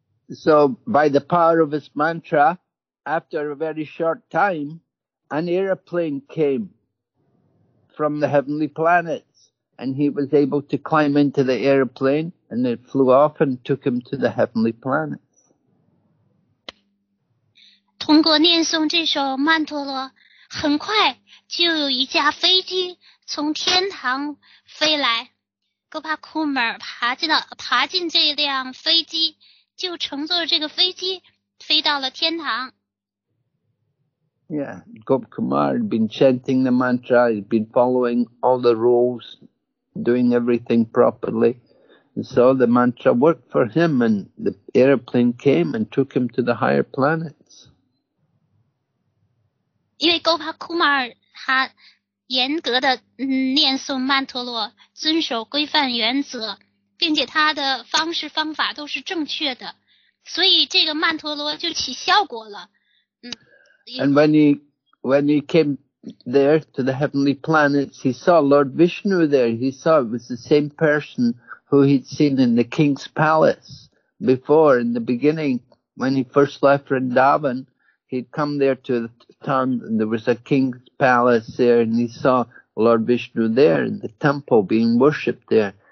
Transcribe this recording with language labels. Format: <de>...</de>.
<en>So, by the power of his mantra, after a very short time,An aeroplane came from the heavenly planets, and he was able to climb into the aeroplane, and it flew off and took him to the heavenly planets.</en> <zh>通过念诵这首曼陀罗，很快就有一架飞机从天堂飞来。 Gopakumar 爬进这辆飞机，就乘坐这个飞机飞到了天堂。</zh> <en>Yeah, Gopakumar had been chanting the mantra, he'd been following all the rules, doing everything properly. And so the mantra worked for him, and the aeroplane came and took him to the higher planets.</en> <zh>因为 Gopakumar 他严格的念诵曼陀罗，遵守规范原则，并且他的方式方法都是正确的，所以这个曼陀罗就起效果了。</zh> <en>And when he came there to the heavenly planets, he saw Lord Vishnu there. He saw it was the same person who he'd seen in the king's palace before. In the beginning, when he first left Vrindavan, he'd come there to the town, and there was a king's palace there, and he saw Lord Vishnu there in the temple being worshipped there.</en>